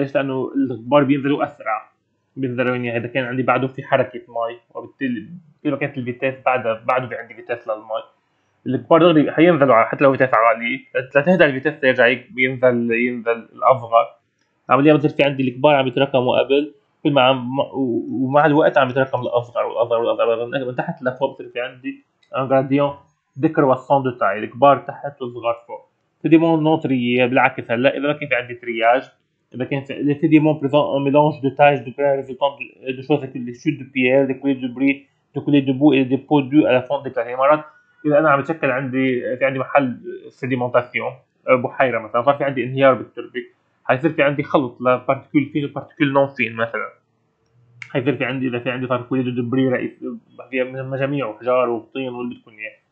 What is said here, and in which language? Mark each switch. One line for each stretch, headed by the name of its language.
Arabic: ليش؟ لأنه الكبار بينزلوا أسرع بالذروين يعني، اذا كان عندي بعده في حركه مي وبالتالي اذا كانت الفيتاس بعده في عندي فيتاس للمي الكبار دغري حينزلوا على حتى لو فيتاس عاليه لتهدى الفيتاس ترجع ينزل الاصغر. عمليا بتصير في عندي الكبار عم يتراكموا قبل كل ما ومع الوقت عم يتراكم الاصغر والاصغر والاصغر من تحت لفوق. بتصير في عندي
French: ان غراديون ديكر واسون دو تاي
Arabic: الكبار تحت والصغار فوق. سيديمون نوتريي بالعكس هلا اذا ما كان في عندي ترياج إذا كان
French: les sédiments présentent un mélange de taches de grains résultant de choses telles que les chutes de pierres, des coulées de débris, des coulées de boue et des dépôts dus à la fonte des glaciers.
Arabic: مرات إذا أنا عم بتشكل عندي في عندي محل sédimentation بحيرة مثلا صار في عندي انهيار بالتربة حيصير في عندي خلط ل particules fines و particules non fines مثلا، حيصير في عندي إذا في عندي صار coulées de débris رئيس فيها من مجاميع وحجار وطين واللي بتكون يعني.